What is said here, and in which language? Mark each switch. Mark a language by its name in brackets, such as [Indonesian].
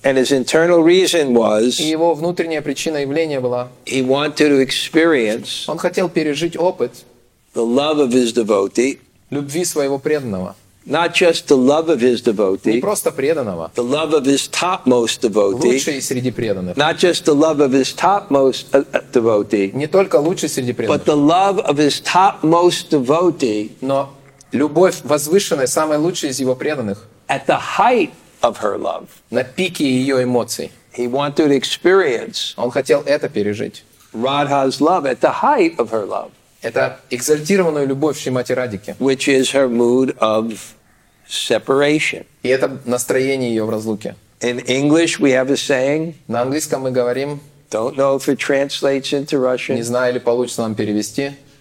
[English] And his internal reason was. [Russian] И его внутренняя причина явления была. [English] He wanted to experience. [Russian] Он хотел пережить опыт. [English] The love of his devotee. [Russian] Любви своего преданного. [English] Not just the love of his devotee. [Russian] Не просто преданного. [English] The love of his topmost devotee. [Russian] Лучший среди преданных. [English] Not just the love of his topmost devotee. [Russian] Не только лучший среди преданных. [English] But the love of his topmost devotee. [Russian] Но любовь возвышенной, самой лучшей из его преданных. [English] At the height of her love. [Russian] На пике ее эмоций. [English] He wanted to experience. [Russian] Он хотел это пережить. [English] Radha's love at the height of her love. [Russian] Это экзальтированная любовь Шримати Радике. [English] Which is her mood of separation. [Russian] И это настроение ее в разлуке. [English] In English we have a saying. [Russian] На английском мы говорим. [English] Don't know if it translates into Russian. [Russian] Не знаю, или получится нам перевести.